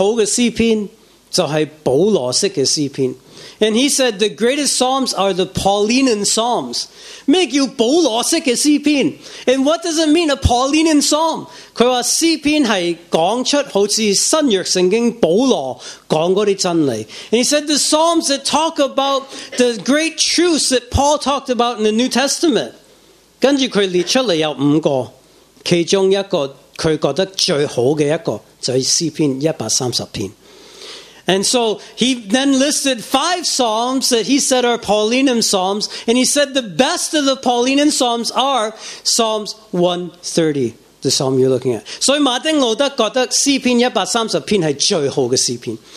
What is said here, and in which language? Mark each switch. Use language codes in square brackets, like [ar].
[zh] 他说,最好的诗篇就是保罗式的诗篇。 [en] And he said, the greatest psalms are the Paulinian psalms. [zh] 什么叫保罗式的诗篇? [en] And what does it mean, a Paulinian psalm? [zh] 他说诗篇是讲出好像新约圣经保罗讲过的真理。 [en] And he said, the psalms that talk about the great truths that Paul talked about in the New Testament. [zh] 接着他列出来有五个,其中一个他觉得最好的一个,就是诗篇130篇。 [en] And so he then listed five psalms that he said are Paulinum psalms, and he said the best of the Paulinum psalms are Psalms 130, the psalm you're looking at. So Martin Luther thought that 130篇 is the best of the psalms.